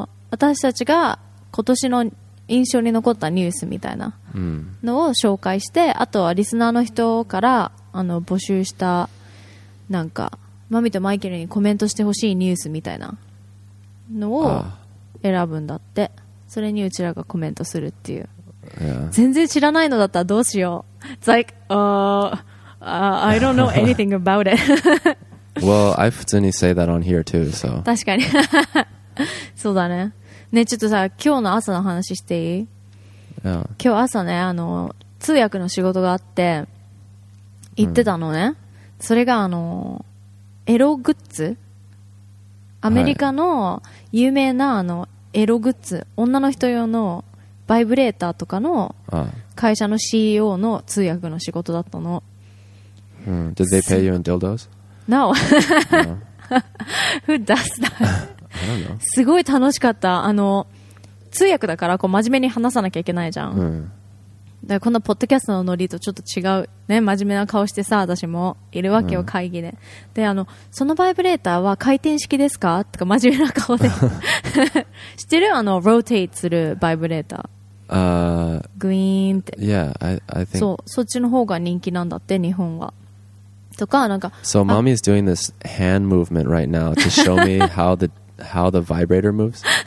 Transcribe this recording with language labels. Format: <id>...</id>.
<ja>私たちが、今年の印象に残ったニュースみたいなのを紹介して、あとはリスナーの人からあの募集したなんかマミとマイケルにコメントしてほしいニュースみたいなのを選ぶんだって。それにうちらがコメントするっていう。全然知らないのだったらどうしよう。</ja> <en>It's like I don't know anything about it. Well, I</en> <ja>普通に</ja> <en>say that on here too, so.</en> <ja>確かにそうだね。ね、ちょっとさ、今日の朝の話していい？</ja> <en>Yeah.</en> <ja>今日朝ね、あの通訳の仕事があって行ってたのね。それがあのエログッズ、アメリカの有名なあのエログッズ、女の人用のバイブレーターとかの会社の CEO の通訳の仕事だったの。</ja> <en>Did they pay you in dildos? No. Who does that? I don't know.</en> <ja>すごい楽しかった。あの通訳だからこう真面目に話さなきゃいけないじゃん。うん、だからこのポッドキャストのノリとちょっと違う、ね、真面目な顔してさ私もいるわけよ、うん、会議で。で、あのそのバイブレーターは回転式ですかとか真面目な顔で知ってる、あのローテイトするバイブレーター、グイーンって、</ja> <en>yeah, I think</en> <ja>そう、そっちの方が人気なんだって日本は。とかなんか、</ja> <en>So mommy is doing this hand movement right now to show me how the vibrator moves.</en>